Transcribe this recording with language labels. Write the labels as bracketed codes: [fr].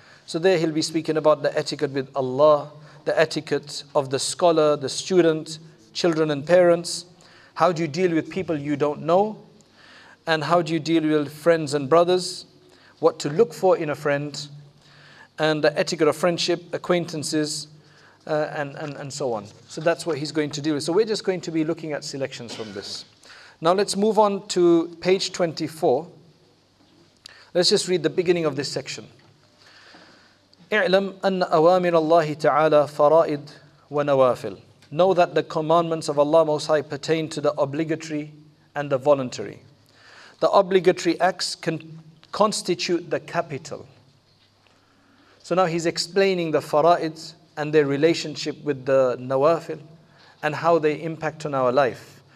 [en] So there he'll be speaking about the etiquette with Allah, the etiquette of the scholar, the student, children and parents, how do you deal with people you don't know, and how do you deal with friends and brothers, what to look for in a friend, and the etiquette of friendship, acquaintances, and so on. So that's what he's going to deal with. So we're just going to be looking at selections from this. Now let's move on to page 24. Let's just read the beginning of this section. [ar] اعلم أن أوامر الله تعالى فرائد ونوافل. [en] Know that the commandments of Allah Most High pertain to the obligatory and the voluntary. The obligatory acts can constitute the capital. So now he's explaining the fara'id and their relationship with the nawafil and how they impact on our life.